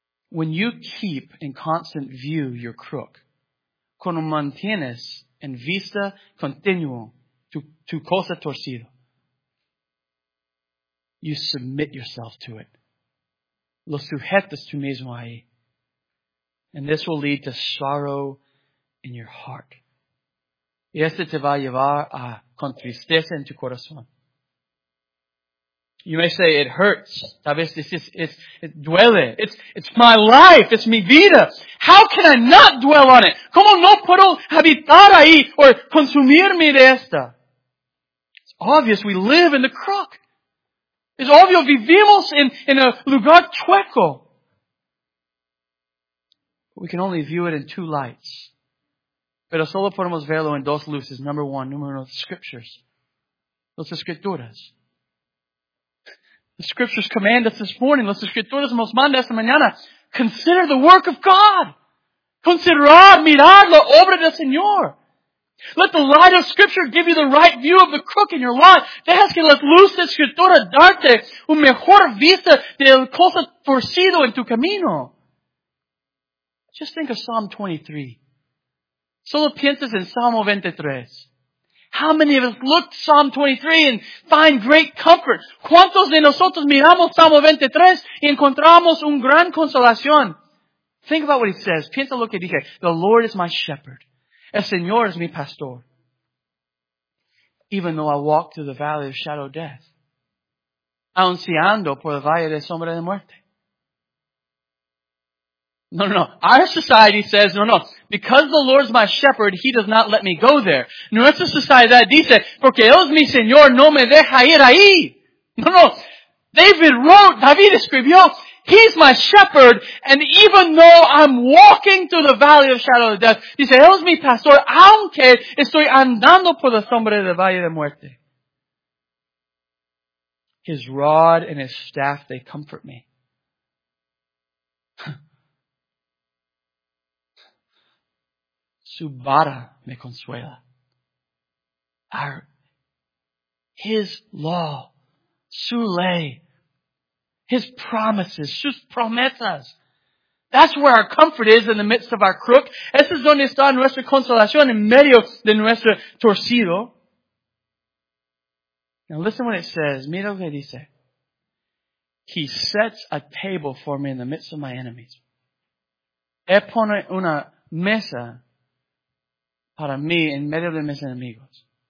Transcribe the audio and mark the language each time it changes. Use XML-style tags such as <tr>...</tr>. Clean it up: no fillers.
<en>When you keep in constant view your crook,</en> <es>cuando mantienes en vista continuo tu cosa torcida,</es> <en>you submit yourself to it.</en> <es>Lo sujetas tú mismo ahí.</es> <en>And this will lead to sorrow in your heart.</en> <es>Y este te va a llevar a con tristeza en tu corazón.</es> <en>You may say, it hurts.</en> <es>Tal vez dices,</es> <en>it duele. It's my life. It's</en> <es>mi vida.</es> <en>How can I not dwell on it?</en> <es>¿Cómo no puedo habitar ahí o consumirme de esta?</es> <en>It's obvious we live in the crook. It's obvious</en> <es>vivimos en a lugar chueco.</es> <en>We can only view it in two lights.</en> <es>Pero solo podemos verlo en dos luces.</es> <en>Number one,</en> <es>número uno, scriptures. Las escrituras.</es> <en>The scriptures command us this morning.</en> <es>Las escrituras nos manda esta mañana.</es> <en>Consider the work of God.</en> <es>Considerar, mirar la obra del Señor.</es> <en>Let the light of scripture give you the right view of the crook in your life.</en> <es>Dejas que la luz de escritura darte un mejor vista del cosa torcido en tu camino.</es> <en>Just think of Psalm 23.</en> <es>Solo piensas en Salmo 23.</es> <en>How many of us look Psalm 23 and find great comfort?</en> <es>¿Cuántos de nosotros miramos Salmo 23 y encontramos un gran consolación?</es> <en>Think about what it says.</en> <es>Piensa lo que dije.</es> <en>The Lord is my shepherd.</en> <es>El Señor es mi pastor.</es> <en>Even though I walk through the valley of shadow of death.</en> <es>Aun si ando por el valle de sombra de muerte.</es> <en>No. Our society says, no. Because the Lord is my shepherd, he does not let me go there.</en> <es>Nuestra sociedad dice, porque él es mi Señor, no me deja ir ahí. No. David escribió,</es> <en>he's my shepherd, and even though I'm walking through the valley of shadow of death,</en> <es>dice, él es mi pastor, aunque estoy andando por la sombra del valle de muerte.</es> <en>His rod and his staff, they comfort me.</en> <es>Su vara me consuela.</es> <en>His law,</en> <es>su ley,</es> <en>his promises,</en> <es>sus promesas.</es> <en>That's where our comfort is in the midst of our crook.</en> <es>Eso es donde está nuestra consolación en medio de nuestro torcido.</es> <en>Now listen what it says.</en> <es>Mira lo que dice.</es> <en>He sets a table for me in the midst of my enemies.</en> <es>Él pone una mesa para mí, en medio de mis enemigos.</es>